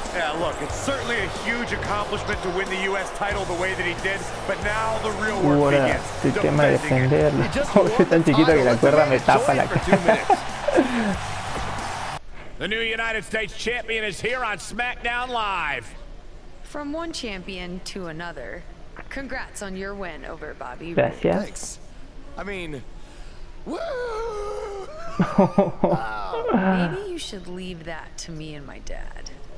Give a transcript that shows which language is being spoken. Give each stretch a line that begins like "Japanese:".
English: Yeah, look, it's certainly a huge accomplishment to win the US title the way that he did, but now the real work
Spanish: ahora,
English: begins.
Spanish: El tema de defenderlo. Oh, es tan chiquito que la cuerda me tapa la cara.
English: The new United States Champion is here on SmackDown Live. From one champion to another, congrats on your win over Bobby.
Spanish: Gracias.
English: Thanks. I mean, woo! Wow. Maybe you should leave that to me and my dad.